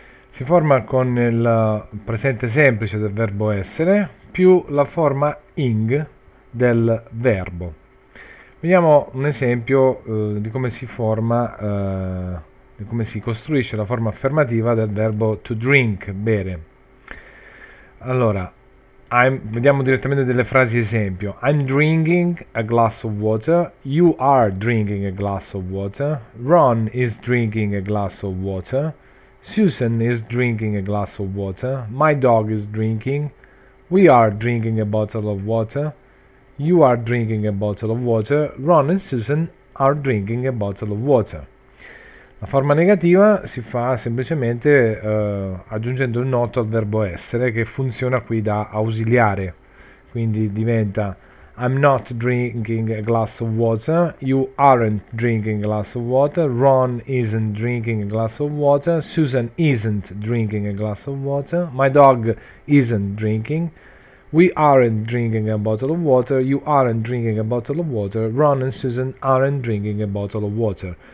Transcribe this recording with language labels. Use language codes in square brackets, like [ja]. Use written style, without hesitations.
[it] Si forma con il presente semplice del verbo essere più la forma ing del verbo. Vediamo un esempio di come si forma, di come si costruisce la forma affermativa del verbo to drink, bere. Allora, vediamo direttamente delle frasi esempio. [en] I'm drinking a glass of water. You are drinking a glass of water. Ron is drinking a glass of water. Susan is drinking a glass of water. My dog is drinking. We are drinking a bottle of water. You are drinking a bottle of water. Ron and Susan are drinking a bottle of water. [it] La forma negativa si fa semplicemente aggiungendo il noto al verbo essere, che funziona qui da ausiliare. Quindi diventa [en] I'm not drinking a glass of water, you aren't drinking a glass of water, Ron isn't drinking a glass of water, Susan isn't drinking a glass of water, my dog isn't drinking, we aren't drinking a bottle of water, you aren't drinking a bottle of water, Ron and Susan aren't drinking a bottle of water.